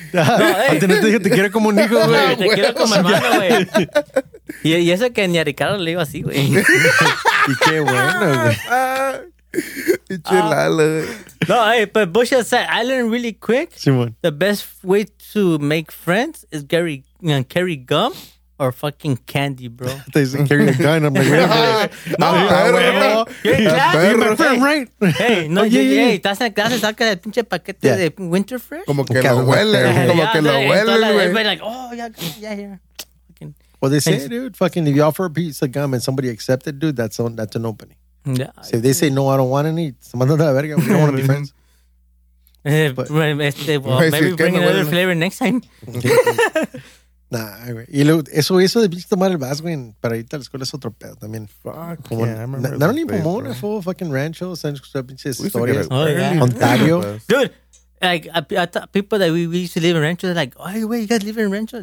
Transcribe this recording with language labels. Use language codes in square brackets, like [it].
[es] Antes no te dije, te quiero como un hijo, güey. Te quiero como hermano, güey. Y eso que ni a Ricardo le iba así, güey. Y qué bueno, güey. Y chulalo, güey. [en] No, hey, but Bush has said, I learned really quick. [es] Simón. [en] The best way to make friends is carry gum. Or fucking candy, bro. They said carry a gun. I'm like, no, no, you're in class. You're my friend, right? Hey, no, yeah. [es] Estás en clase, saca el pinche paquete de winter fresh. Como que lo huele. Como que lo huele, güey. [en] Everybody like, oh, yeah, here. Well, they say, dude, fucking, if you offer a piece of gum and somebody accepts it, dude, that's an opening. Yeah. So if they say, no, I don't want any, [es] se manda la verga, [en] we don't want to be friends. But, well, maybe bring another flavor next time. [es] Nah, y luego eso de pinche tomar el vaso, güey, para irte a la escuela es otro pedo también. [en] Fuck, como, yeah, I remember. [es] No, no, Pomona, fue fucking Rancho, o sea, escuchar pinches historias. [en] Oh, yeah. Ontario. Dude, like, I thought people that we used to live in Rancho, they're like, oh, güey, you guys live in Rancho?